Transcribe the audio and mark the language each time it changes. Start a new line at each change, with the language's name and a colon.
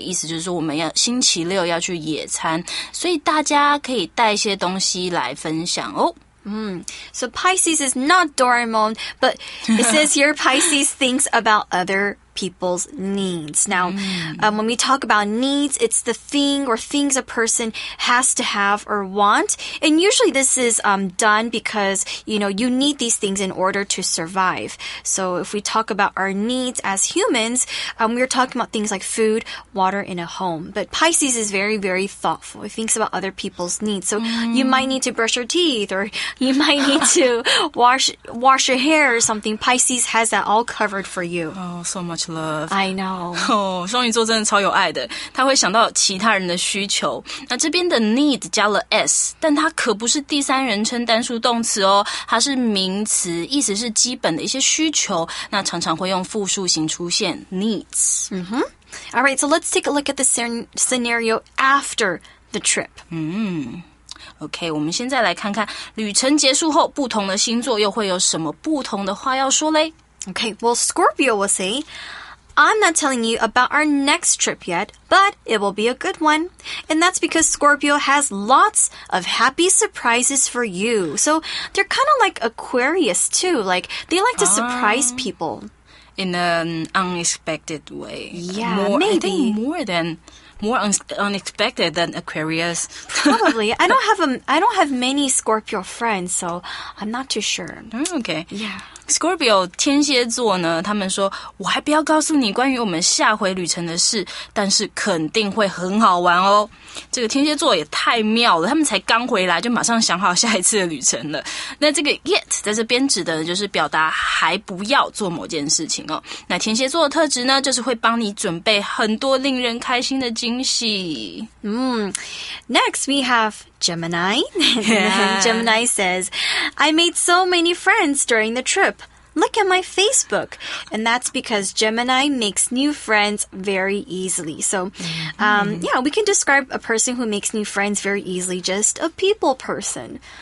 Chinese: 意思就是说我们要星期六要去野餐。所以大家可以带一些东西来分享哦。
English: So Pisces is not Doraemon, but it says here Pisces thinks about other people's needs. Now, when we talk about needs, it's the thing or things a person has to have or want. And usually this is done because, you know, you need these things in order to survive. So if we talk about our needs as humans, we're talking about things like food, water, and a home. But Pisces is very, very thoughtful. He thinks about other people's needs. So you might need to brush your teeth or you might need to wash your hair or something. Pisces has that all covered for you. Oh, so much love. I know.
Chinese: 双鱼座真的超有爱的，他会想到其他人的需求。那这边的 need 加了 s， 但它可不是第三人称单数动词哦，它是名词，意思是基本的一些需求。那常常会用复数型出现 needs。
English: All right, so let's take a look at the scenario after the trip.
Chinese: OK, 我们现在来看看旅程结束后，不同的星座又会有什么不同的话要说嘞。
English: Okay, well, Scorpio will say, I'm not telling you about our next trip yet, but it will be a good one. And that's because Scorpio has lots of happy surprises for you. So they're kind of like Aquarius, too. Like, they like to surprise people. In an unexpected way. Yeah, maybe. I think more than... More unexpected than Aquarius. Probably. I don't have many Scorpio friends, so I'm not too sure. Okay. Yeah.
Chinese: Scorpio, 天蝎座呢，他们说，我还不要告诉你关于我们下回旅程的事，但是肯定会很好玩哦。这个天蝎座也太妙了，他们才刚回来就马上想好下一次的旅程了。那这个 yet 在这边指的就是表达还不要做某件事情哦。那天蝎座的特质呢，就是会帮你准备很多令人开心的惊喜。
English: Next we have Gemini. Gemini says, I made so many friends during the trip. Look at my Facebook. And that's because Gemini makes new friends very easily. So, we can describe a person who makes new friends very easily, just a people person.